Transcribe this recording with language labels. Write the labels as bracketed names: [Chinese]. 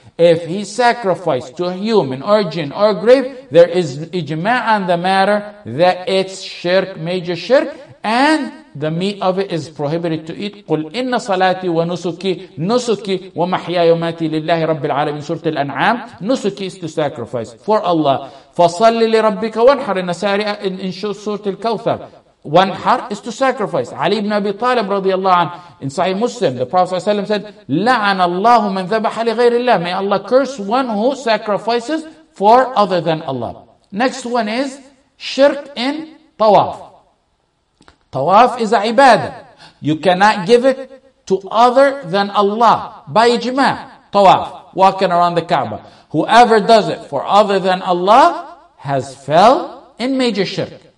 [English] If he sacrificed to a human or a jinn or a grave, there is ijma' on the matter that it's shirk, major shirk, and the meat of it is prohibited to eat. [Arabic] قُلْ إِنَّ صَلَاتِي وَنُسُكِي وَمَحْيَايَ وَمَاتِي لِلَّهِ رَبِّ الْعَالَمِينَ سُورَةُ الْأَنْعَامِ. [English] Nusuki is to sacrifice for Allah. [Arabic] فَصَلِّ لِرَبِّكَ وَانْحَرْ. إِنَّ سَارِئَ [English] in [Arabic] سُورَةِ الْكَوْثَرِ. [English] وَانْحَرْ is to sacrifice. [Arabic] علي بن أبي طالب رضي الله عنه [English] in Sahih Muslim, the Prophet ﷺ said, [Arabic] لَعَنَ اللَّهُ مَنْ ذَبَحَ لِغَيْرِ اللَّهِ. [English] May Allah curse one who sacrifices for other than Allah. Next one is shirk in tawaf. Tawaf is a ibadah. You cannot give it to other than Allah. By ijma', tawaf, walking around the Kaaba. Whoever does it for other than Allah has fell in major shirk.